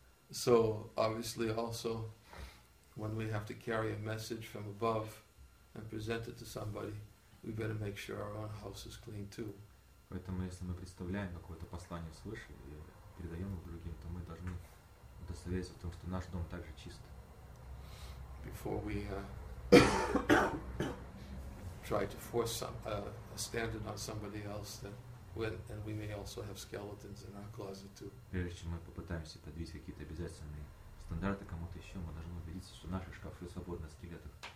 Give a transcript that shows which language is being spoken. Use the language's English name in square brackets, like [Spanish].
[English] So, obviously, also, when we have to carry a message from above and present it to somebody, we better make sure our own house is clean, too. [Russian] Поэтому, если мы представляем какое-то послание свыше и передаем его другим, то мы должны удостовериться в том, что наш дом также чист. [English] Before we try to force a standard on somebody else, and we may also have skeletons in our closet too. [Russian] Прежде чем мы попытаемся подвесить какие-то обязательные стандарты кому-то еще, мы должны убедиться, что наши шкафы свободны от скелетов.